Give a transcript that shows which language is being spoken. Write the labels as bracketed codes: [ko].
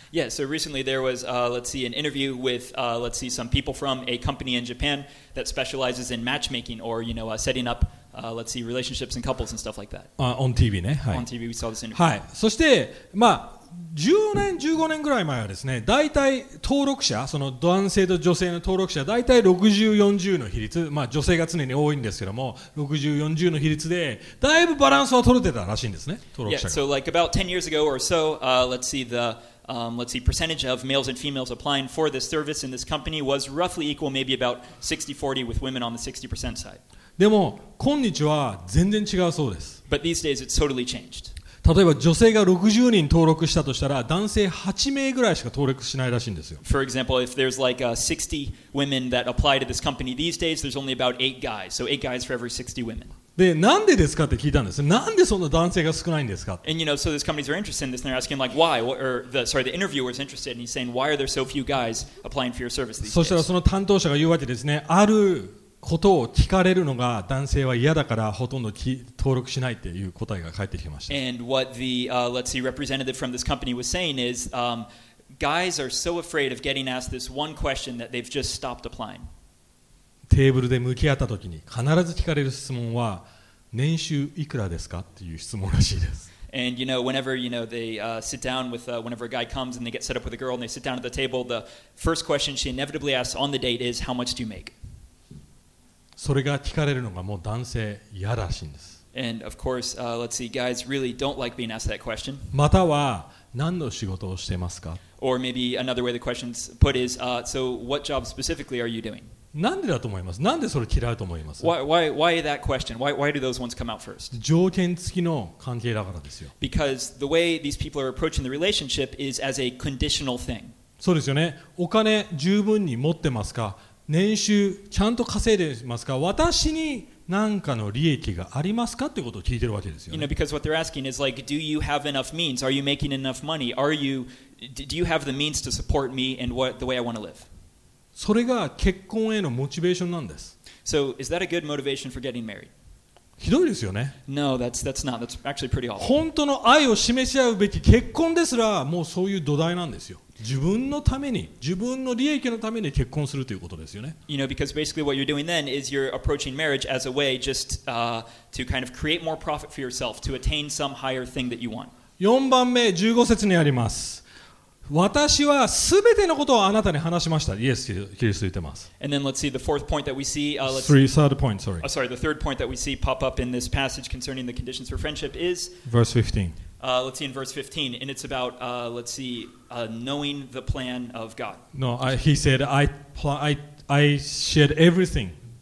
[en] Yeah, so recently there was, let's see, an interview with, let's see, some people from a company in Japan that specializes in matchmaking or, you know, setting up, let's see, relationships and couples and stuff like that. On TV [ja] ね、はい、 [en] On TV we saw this interview. [ja] はい、そして、まあ10年15年ぐらい前はですね、大体登録者、その男性と女性の登録者、大体60、40の比率、まあ女性が常に多いんですけども、60、40の比率で、だいぶバランスは取れてたらしいんですね、登録者が。 [en] Yeah, so like about 10 years ago or so, let's see the, let's see, percentage of males and females applying for this service in this company was roughly equal, maybe about 60-40 with women on the 60% side. [ja] でも、今日は全然違うそうです。 [en] But these days it's totally changed. [ja] 例えば女性が60人登録したとしたら男性8名ぐらいしか登録しないらしいんですよ。 [en] For example, if there's like 60 women that apply to this company these days, there's only about 8 guys. So 8 guys for every 60 women. [ja] で、なんでですかって聞いたんです。なんでそんな男性が少ないんですか。 [en] And you know, so these companies are interested in this and they're asking like why? Or the interviewer is interested and he's saying why are there so few guys applying for your service these days? [ja] そしたらその担当者が言うわけですね。あることを聞かれるのが男性は嫌だからほとんど登録しないっていう答えが返ってきました。 [en] And what the, let's see, representative from this company was saying is, guys are so afraid of getting asked this one question that they've just stopped applying. [ja] テーブルで向き合った時に必ず聞かれる質問は年収いくらですかっていう質問らしいです。 [en] And you know, whenever you know they sit down with whenever a guy comes and they get set up with a girl and they sit down at the table, the first question she inevitably asks on the date is, how much do you make? [ja] それが聞かれるのがもう男性嫌らしいんです。 [en] And of course, let's see, guys really don't like being asked that question. [ja] または何の仕事をしてますか。 [en] Or maybe another way the question's put is, so what job specifically are you doing? [ja] なんでだと思います。なんでそれ嫌うと思います。 [en] Why that question? Why do those ones come out first? [ja] 条件付きの関係だからですよ。 [en] Because the way these people are approaching the relationship is as a conditional thing. [ja] そうですよね。お金十分に持ってますか。年収ちゃんと稼いでますか。私に何かの利益がありますかってことを聞いてるわけですよね。 [en] You know, because what they're asking is like, do you have enough means? Are you making enough money? Are you, do you have the means to support me and what the way I want to live? [ja] それが結婚へのモチベーションなんです。 [en] So is that a good motivation for getting married? [ja] ひどいですよね。 [en] No, that's not. That's actually pretty awful. [ja] 本当の愛を示し合うべき結婚ですらもうそういう土台なんですよ。自分のために、自分の利益のために結婚するということですよね。 [en] You know, because basically what you're doing then is you're approaching marriage as a way just, to kind of create more profit for yourself, to attain some higher thing that you want. [ja] 4番目、15節にあります。私はすべてのことをあなたに話しました。イエス、キリスト言ってます。 [en] And then let's see the fourth point that we see. Third point, sorry. Sorry, the third point that we see pop up in this passage concerning the conditions for friendship is... Verse 15. Let's see in verse 15, and it's about, let's see, knowing the plan of God. No, he said, I shared everything.